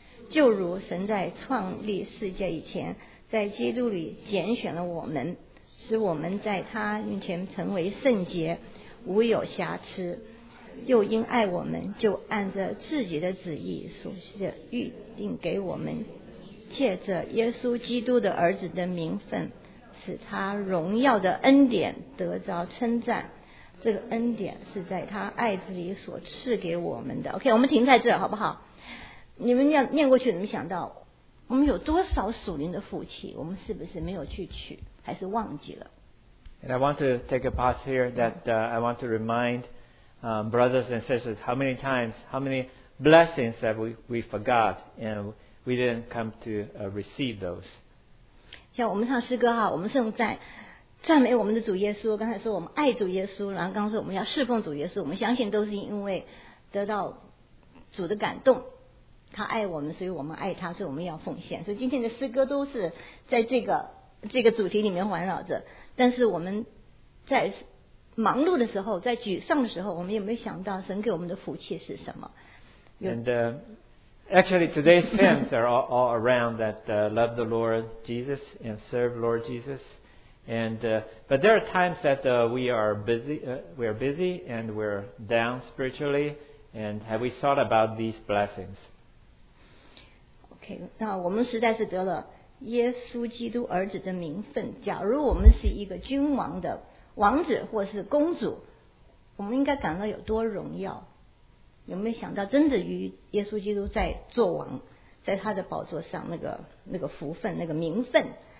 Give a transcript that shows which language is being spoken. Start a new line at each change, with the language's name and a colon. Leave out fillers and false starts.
Chinese: 就如神在创立世界以前在基督里拣选了我们，使我们在他面前成为圣洁无有瑕疵，又因爱我们就按着自己的旨意所预定给我们，借着耶稣基督的儿子的名分，使他荣耀的恩典得着称赞。这个恩典是在他爱子里所赐给我们的。 OK, 我们停在这儿好不好？你们要念过去怎么想到我们有多少属灵的福气，我们是不是没有去取，还是忘记了？
English: And I want to take a pause here that I want to remind brothers and sisters how many times, how many blessings that we forgot and we didn't come to receive those.
Chinese: 像我们唱诗歌哈，我们颂赞赞美我们的主耶稣，刚才说我们爱主耶稣，然后刚刚说我们要侍奉主耶稣，我们相信都是因为得到主的感动，他爱我们，所以我们爱他，所以我们要奉献。所以今天的诗歌都是在这个主题里面环绕着。但是我们在忙碌的时候，在沮丧的时候，我们有没有想到神给我们的福气是什么？
English: And actually, today's hymns are all around that love the Lord Jesus and serve Lord Jesus. And but there are times that we are busy and we're down spiritually. And have we thought about these blessings?
Chinese: Okay, 那我们实在是得了耶稣基督儿子的名分，假如我们是一个君王的王子或是公主，我们应该感到有多荣耀，有没有想到真的与耶稣基督在做王，在他的宝座上那个福分，那个名分。